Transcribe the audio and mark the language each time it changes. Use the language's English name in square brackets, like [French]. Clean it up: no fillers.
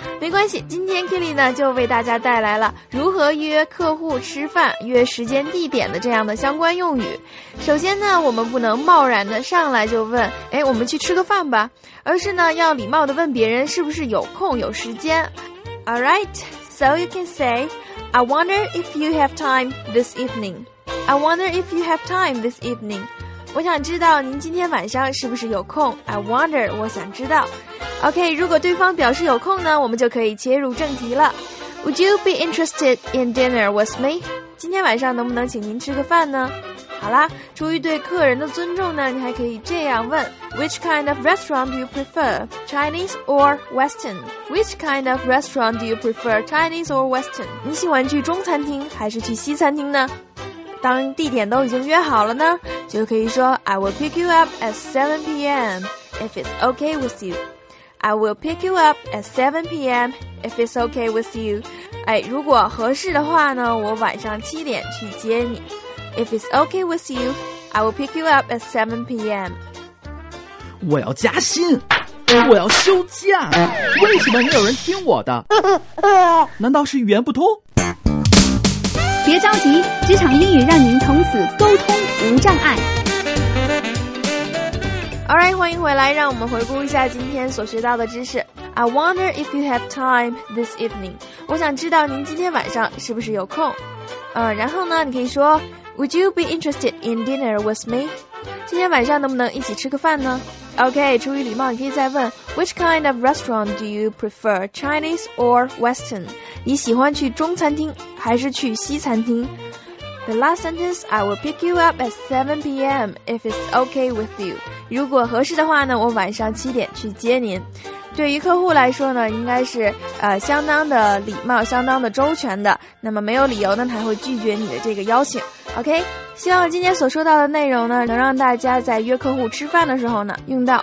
[Chinese] 没关系，今天 Kili 呢就为大家带来了如何约客户吃饭、约时间地点的这样的相关用语。首先呢，我们不能贸然的上来就问，哎，我们去吃个饭吧，而是呢要礼貌的问别人是不是有空有时间。 [English] All right, so you can say. I wonder if you have time this evening. I wonder if you have time this evening. [Chinese] 我想知道您今天晚上是不是有空。 [English] I wonder, [Chinese] 我想知道。 OK, 如果对方表示有空呢，我们就可以切入正题了。 [English] Would you be interested in dinner with me? [Chinese] 今天晚上能不能请您吃个饭呢？好啦，出于对客人的尊重呢，你还可以这样问 ： [English] Which kind of restaurant do you prefer, Chinese or Western? Which kind of restaurant do you prefer, Chinese or Western? [Chinese] 你喜欢去中餐厅还是去西餐厅呢？当地点都已经约好了呢，就可以说 [English] I will pick you up at 7 p.m. if it's okay with you. I will pick you up at 7 p.m. if it's okay with you. [Chinese] 哎，如果合适的话呢，我晚上七点去接你。 [English] If it's okay with you, I will pick you up at 7 p.m. [Chinese] 我要加薪，我要休假，为什么没有人听我的？难道是语言不通？别着急，职场英语让您从此沟通无障碍。 [English] All right, [Chinese] 欢迎回来，让我们回顾一下今天所学到的知识。 [English] I wonder if you have time this evening. [Chinese] 我想知道您今天晚上是不是有空。然后呢，你可以说 [English] Would you be interested in dinner with me? [Chinese] 今天晚上能不能一起吃个饭呢？ [English] OK, [Chinese] 出于礼貌你可以再问 [English] Which kind of restaurant do you prefer, Chinese or Western? [Chinese] 你喜欢去中餐厅还是去西餐厅？ [English] The last sentence, I will pick you up at 7 p.m. if it's okay with you. [Chinese] 如果合适的话呢，我晚上七点去接您。对于客户来说呢，应该是相当的礼貌，相当的周全的，那么没有理由呢才会拒绝你的这个邀请。 OK, 希望今天所说到的内容呢，能让大家在约客户吃饭的时候呢用到。